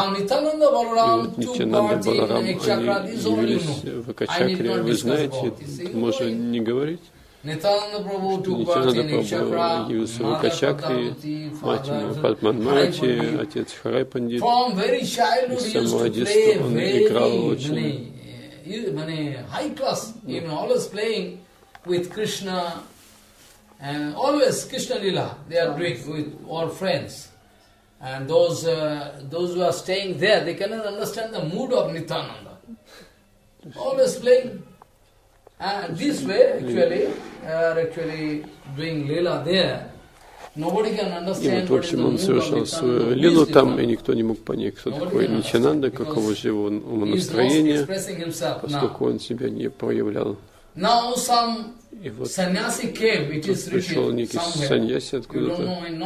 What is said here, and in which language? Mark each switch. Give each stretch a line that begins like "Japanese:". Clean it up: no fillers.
Russian: И вот Нитянанда Баларам, они явились в Экачакре, вы знаете, можно не говорить. Нитянанда Прабху явился в Экачакре, мать ему Падман Мати, отец Харай Пандит. С самого детства он играл очень
English: high class, even always playing with Krishna, and always Krishna Lila, they are doing with all friends. And those who are staying there, they cannot understand the mood of Nityananda. Always playing. And this way, actually, actually doing Lila there, nobody can understand.
Russian: И вот, в общем, он совершал свою лилу там, и никто не мог понять, кто такой Нитянанда, каково же его умонастроение, поскольку он себя не проявлял. И вот тут пришел некий саньяси откуда-то.